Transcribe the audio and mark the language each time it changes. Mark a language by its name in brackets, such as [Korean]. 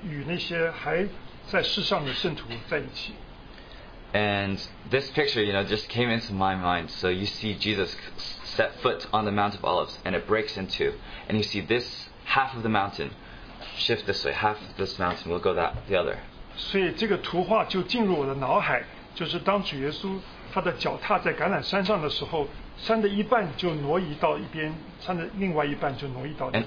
[Chinese] 这些复活的圣徒就会跟与那些还在世上的圣徒在一起。 [English] And this picture, you know, just came into my mind. So you see Jesus set foot on the Mount of Olives, and it breaks in two. And you see this half of the mountain shift this way. Half of this mountain will go that the other. [Chinese] 所以这个图画就进入我的脑海，就是当主耶稣他的脚踏在橄榄山上的时候，山的一半就挪移到一边，山的另外一半就挪移到那边。